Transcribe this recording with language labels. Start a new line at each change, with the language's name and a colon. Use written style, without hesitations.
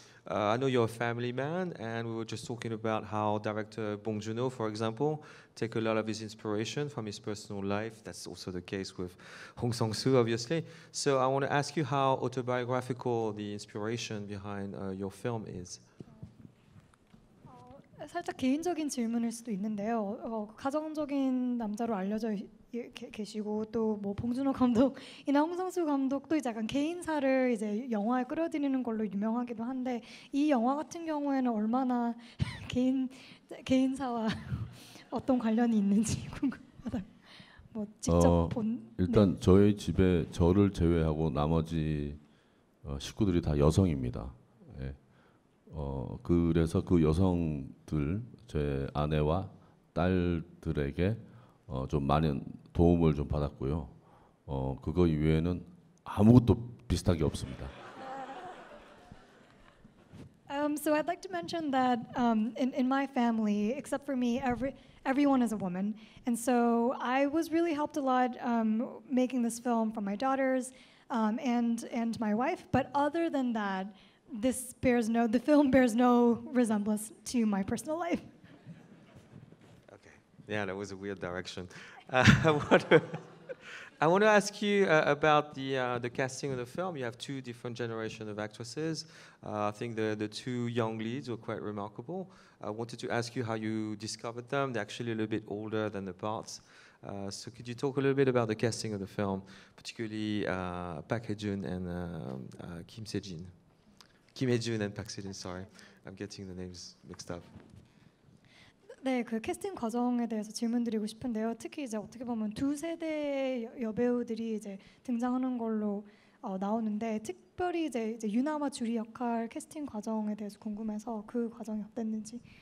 English: I know you're a family man, and we were just talking about how director Bong Joon-ho, for example, take a lot of his inspiration from his personal life. That's also the case with Hong Sang-soo, obviously. So I want to ask you how autobiographical the inspiration behind your film is.
Korean: 살짝 개인적인 질문일 수도 있는데요. 가정적인 남자로 알려져 계시고 또 뭐 봉준호 감독이나 홍성수 감독도 이제 약간 개인사를 이제 영화에 끌어들이는 걸로 유명하기도 한데 이 영화 같은 경우에는 얼마나 개인사와 어떤 관련이 있는지 궁금하다. 뭐 직접 본 일단 네. 저희 집에 저를 제외하고 나머지 식구들이 다 여성입니다. 예. 그래서 그 여성들 제 아내와 딸들에게 좀 많은 도움을 좀 받았고요. 그거 이외에는 아무것도 비슷한 게 없습니다.
English: So I'd like to mention that in my family, except for me, everyone is a woman, and so I was really helped a lot making this film from my daughters and my wife. But other than that, the film bears no resemblance to my personal life. Yeah, that was a weird direction. I want to ask you about the casting of the film. You have two different generations of actresses. I think the two young leads were quite remarkable. I wanted to ask you how you discovered them. They're actually a little bit older than the parts. So could you talk a little bit about the casting of the film, particularly Park Hae-jun and Kim Se-jin. Kim Hae-jun and Park Se-jin, sorry. I'm getting the names mixed up.
Korean: 네, 그 캐스팅 과정에 대해서 질문드리고 싶은데요. 특히 이제 어떻게 보면 두 세대의 여배우들이 이제 등장하는 걸로 나오는데 특별히 이제 유나와 주리 역할 캐스팅 과정에 대해서 궁금해서 그 과정이 어땠는지.